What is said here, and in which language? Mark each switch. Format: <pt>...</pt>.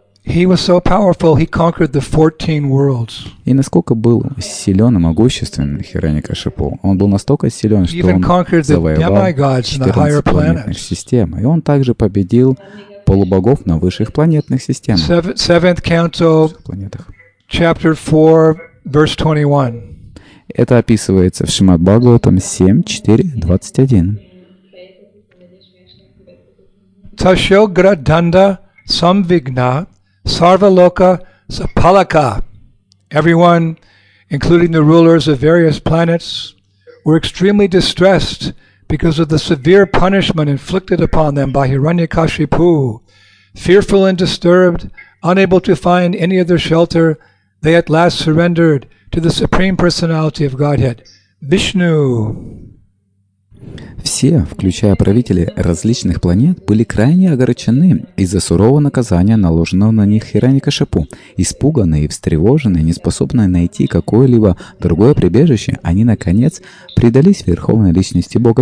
<en>He was so powerful, he conquered the 14 worlds.</en> <ru>И насколько был силен и могущественен Хиранья-Кашипу, он был настолько силен, что он завоевал 14 планетных систем. И он также победил полубогов на высших планетных системах.</ru> <en>Seventh canto, chapter 4, verse 21.</en> <ru>Это описывается в Шримад-Бхагаватам 7.4.21.</ru> <sa>Tashogradanda samvigna sarvaloka sapalaka.</sa> <en>Everyone, including the rulers of various planets, were extremely distressed because of the severe punishment inflicted upon them by Hiranyakashipu. Fearful and disturbed, unable to find any other shelter, they at last surrendered to the Supreme Personality of Godhead, Vishnu.</en> <ru>Все, включая правителей различных планет, были крайне огорчены из-за сурового наказания, наложенного на них Хиранья-Кашипу. Испуганные, встревоженные, неспособные найти какое-либо другое прибежище, они, наконец, предались Верховной Личности Бога</ru>